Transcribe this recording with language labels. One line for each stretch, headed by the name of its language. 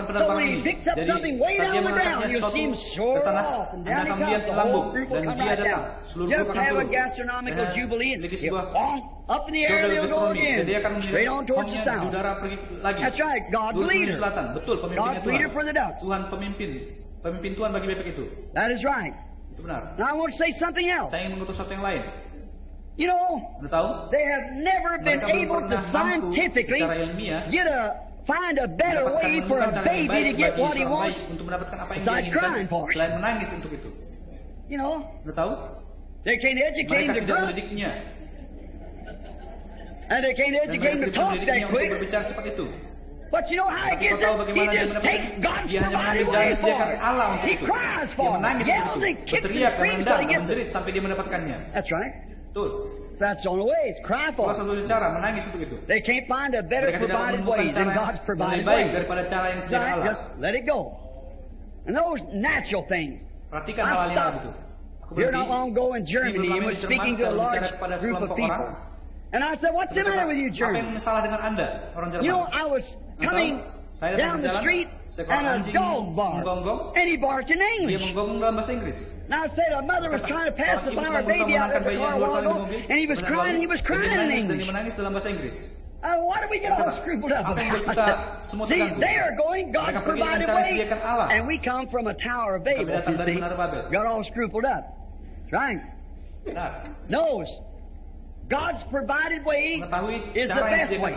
English: So when he picks up something way down the ground, you'll see him soar off. And down he comes, the whole group will come right down. Just have a gastronomical jubilee. Up in the air, he'll go again. Straight on towards the sound. That's right, God's leader. God's leader for the ducks.
Indonesian: Pemimpin Tuhan bagi bebek itu.
English: That is right.
Indonesian: Itu benar.
English: Now I want to say something else.
Indonesian: Saya ingin mengutus sesuatu yang lain.
English: You know,
Indonesian: tahu?
English: They have never been able to scientifically find a better way for a baby to get what he wants
Indonesian: untuk mendapatkan apa yang
English: besides crying
Indonesian: dia
English: for it.
Indonesian: Selain menangis untuk itu.
English: You know,
Indonesian: tahu?
English: They can't educate him to grow.
Indonesian: Mendidiknya.
English: And they can't educate him to talk that quick.
Indonesian: Untuk berbicara cepat itu.
English: But you know how he gets it? He just takes God's provided way for him. He cries for him. He yells and kicks and screams till he gets it.
Indonesian: Sampai dia mendapatkannya.
English: That's right.
Indonesian: Betul.
English: So that's the only way. He's crying for him.
Indonesian: Cara, menangis untuk itu.
English: They can't find a better provided way than God's provided way.
Indonesian: Daripada cara yang sediakan Allah.
English: Just let it go. And those natural things.
Indonesian: Perhatikan hal yang begitu.
English: You're not long ago in Germany. He was speaking to a large group of people. And I said, what's the matter with you, Jerry?
Indonesian: Apa yang anda, orang Jerman?
English: You know, I was coming down the street and a dog barked. And he barked in English.
Indonesian: Dia menggonggong dalam bahasa Inggris.
English: Now I said, a mother was trying to pacify her baby out of the car while ago, and he was crying in English.
Indonesian: Dia menangis dalam bahasa Inggris.
English: Why do we get all scribbled up about it? See, they are going God's provided way. And we come from a Tower of Babel, you see. Got all scribbled up. Right? Nose. God's provided way is the best way.